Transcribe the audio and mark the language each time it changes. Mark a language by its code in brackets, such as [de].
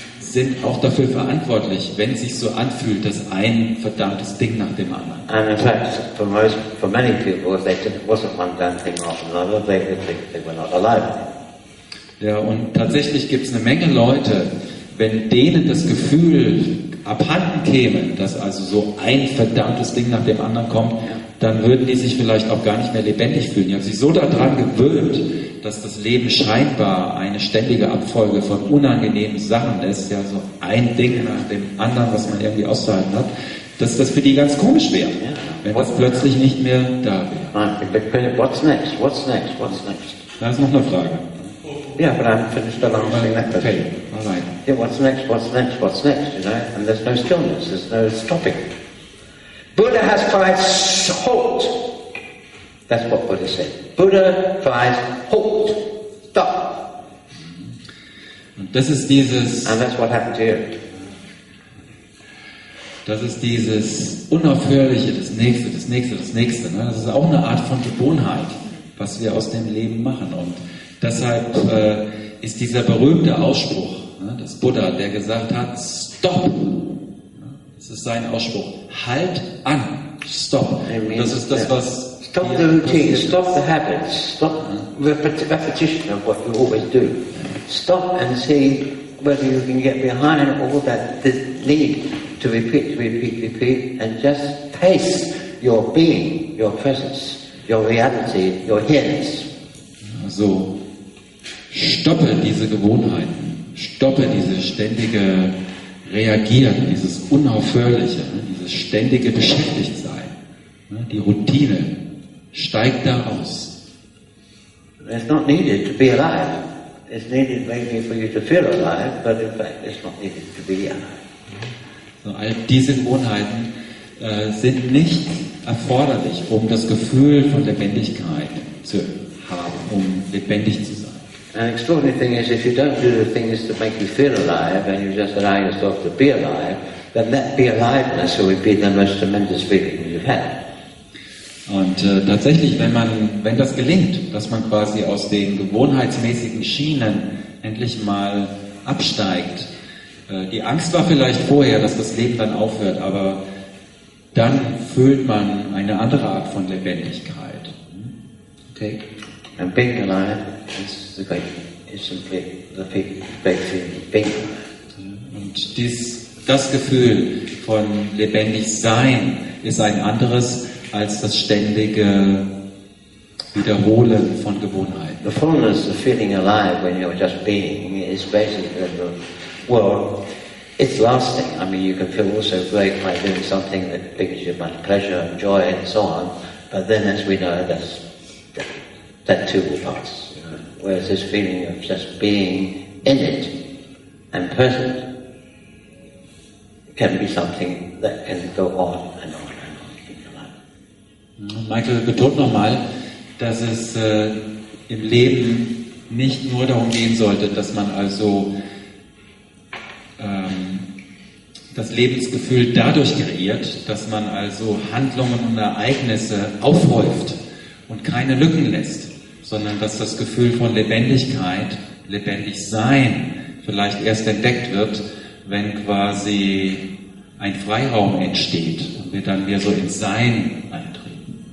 [de] sind auch dafür verantwortlich, wenn es sich so anfühlt, dass ein verdammtes Ding nach dem anderen. [en] And in fact, for many people, if it wasn't one damn thing after another, they would think they were not alive. [de] Ja, und tatsächlich gibt es eine Menge Leute, wenn denen das Gefühl abhanden käme, dass also so ein verdammtes Ding nach dem anderen kommt, dann würden die sich vielleicht auch gar nicht mehr lebendig fühlen. Die haben sich so daran gewöhnt, dass das Leben scheinbar eine ständige Abfolge von unangenehmen Sachen ist, ja, so ein Ding nach dem anderen, was man irgendwie auszuhalten hat, dass das für die ganz komisch wäre, wenn das plötzlich nicht mehr da wäre. [en] What's next? What's next? What's next? [de] Da ist noch eine Frage. [en] Yeah, but I haven't finished along with that question. Okay, alright. Yeah, what's next, what's next, what's next, you know? And there's no stillness, there's no stopping. Buddha has cried, halt! That's what Buddha said. Buddha cries, halt! Stop! [de] Und das ist dieses, [en] and that's what happened here. [de] Das ist dieses unaufhörliche, das nächste, ne? Das ist auch eine Art von Gewohnheit, was wir aus dem Leben machen. Und deshalb ist dieser berühmte Ausspruch, ne, des Buddha, der gesagt hat, stopp, das ist sein Ausspruch, halt an, stopp. Das ist das, was... [en] Stop the routine, stop the habits, stop the repetition of what you always do. Stop and see whether you can get behind all that need to repeat, repeat, repeat and just pace your being, your presence, your reality, your here-ness. So. [de] Stoppe diese Gewohnheiten, stoppe dieses ständige Reagieren, dieses Unaufhörliche, dieses ständige Beschäftigtsein, die Routine, steigt da aus. [en] It's not needed to be alive. It's needed maybe for you to feel alive, but in fact it's not needed to be alive. [de] So, all diese Gewohnheiten sind nicht erforderlich, um das Gefühl von Lebendigkeit zu haben, um lebendig zu sein. [en] An extraordinary thing is, if you don't do the things to make you feel alive, and you just allow yourself to be alive, then that be aliveness would be the most tremendous feeling you've had. [de] Und tatsächlich, wenn das gelingt, dass man quasi aus den gewohnheitsmäßigen Schienen endlich mal absteigt, die Angst war vielleicht vorher, dass das Leben dann aufhört, aber dann fühlt man eine andere Art von Lebendigkeit. Okay. [en] And being alive is the great, it's simply the great feeling, being alive. [de] Und das Gefühl von lebendig sein ist ein anderes als das ständige Wiederholen von Gewohnheiten. [en] The fullness of feeling alive when you're just being is basically the world. It's lasting. I mean, you can feel also great by doing something that brings you much pleasure and joy and so on. But then, as we know, that too will pass. Whereas this feeling of just being in it and present can be something that can go on and on and on in your life. [de] Michael betont nochmal, dass es im Leben nicht nur darum gehen sollte, dass man also das Lebensgefühl dadurch kreiert, dass man also Handlungen und Ereignisse aufhäuft und keine Lücken lässt, sondern dass das Gefühl von Lebendigkeit, lebendig sein, vielleicht erst entdeckt wird, wenn quasi ein Freiraum entsteht und wir dann wieder so ins Sein eintreten.